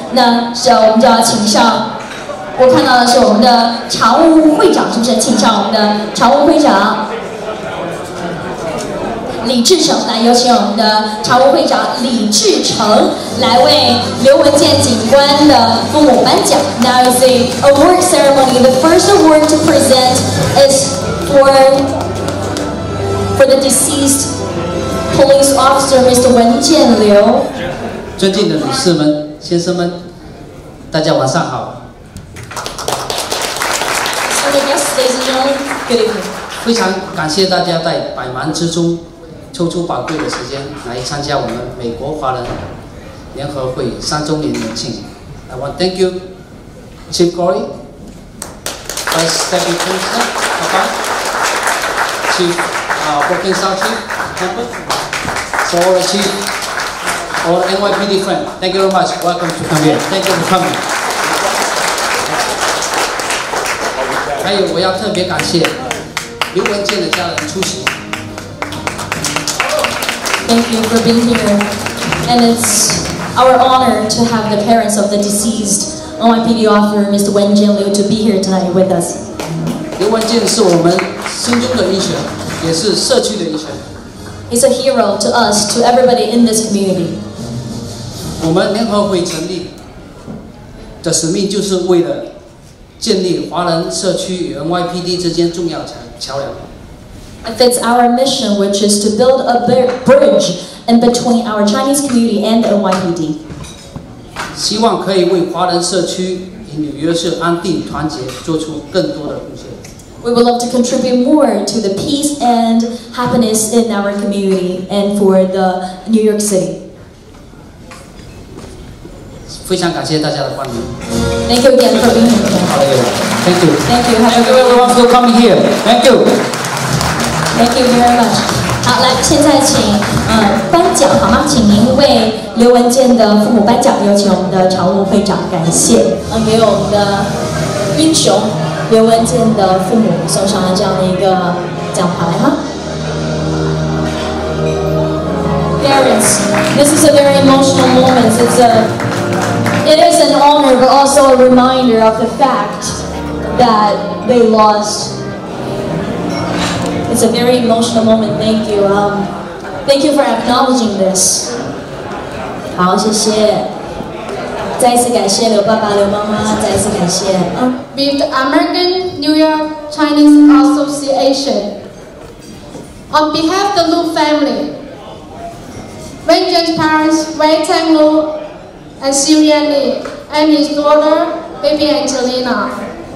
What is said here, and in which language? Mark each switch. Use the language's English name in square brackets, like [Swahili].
[Chinese] 那我们就要请上，我看到的是我们的常务会长，是不是？请上我们的常务会长李志成，来有请我们的常务会长李志成来为刘文健警官的父母颁奖。 [English] Now is the award ceremony. The first award to present is for the deceased police officer, Mr. [Chinese] 文健刘。尊敬的女士们、先生们，大家晚上好。 [English] So the guests, ladies and gentlemen, good evening. [Chinese] 非常感谢大家在百忙之中抽出宝贵的时间来参加我们美国华人联合会三周年年庆。 [English] I want to thank you, Chief Corey, Vice Deputy Commissioner, Papa, Chief Working Sergeant Campbell, for all the Chief, all NYPD friends. Thank you very much. Welcome to come here. Thank you for coming. [Chinese] 还有，我要特别感谢刘文健的家人出席。 [English] Thank you for being here, and it's our honor to have the parents of the deceased NYPD officer, Mr. Wen Jianliu, to be here tonight with us. Liu Wenjian is our heart's hero, also our community's hero. He's a hero to us, to everybody in this community. Our Nationwide Union's mission is to build a bridge between the NYPD and the NYPD. It's our mission, which is to build a bridge in between our Chinese community and the NYPD. [Chinese] 希望可以为华人社区与纽约市安定团结做出更多的贡献。 [English] We would love to contribute more to the peace and happiness in our community and for the New York City. [Chinese] 非常感谢大家的欢迎。 [English] Thank you again for being here. Thank you. Thank you. Thank you everyone for coming here. Thank you. Thank you very much. [Chinese] 好，来，现在请颁奖好吗？请您为刘文健的父母颁奖，有请我们的常务会长，感谢给我们的英雄刘文健的父母送上了这样的一个奖牌哈。 [English] Parents, this is a very emotional moment. It is an honor, but also a reminder of the fact that they lost. It's a very emotional moment. Thank you. Thank you for acknowledging this. [Chinese] 好，谢谢。再次感谢刘爸爸、刘妈妈，再次感谢。 [English] With the American New York Chinese Association, on behalf of the Lu family, Wen Jian's parents, Wei Tang Lu and Xiu Yan Li, and his daughter, Baby Angelina.